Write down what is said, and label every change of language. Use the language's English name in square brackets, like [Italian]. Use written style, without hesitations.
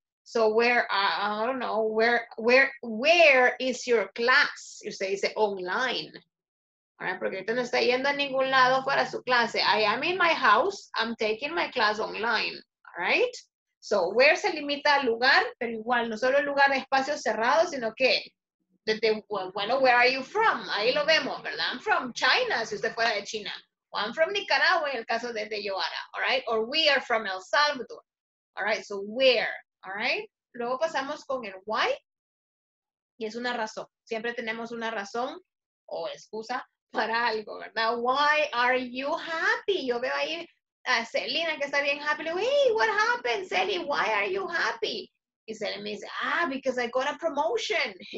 [English] So where, I don't know, where is your class? [Spanish] Usted dice online. [English] All right, [Spanish] porque usted no está yendo a ningún lado para su clase. [English] I am in my house. I'm taking my class online. All right? [Spanish] So where se limita al lugar, pero igual, no solo el lugar de espacio cerrado, sino que, bueno, [English] where are you from? [Spanish] Ahí lo vemos, ¿verdad? [English] I'm from China, [Spanish] si usted fuera de China. O [English] I'm from Nicaragua, [Spanish] en el caso de Yoara. [English] All right? Or we are from El Salvador. All right? So where? All right. [Spanish] Luego pasamos con el why, y es una razón. Siempre tenemos una razón o excusa para algo, ¿verdad? [English] Why are you happy? [Spanish] Yo veo ahí a Celina que está bien happy. [English] Hey, what happened, Celi? Why are you happy? [Spanish] Y Celi me dice, [English] ah, because I got a promotion.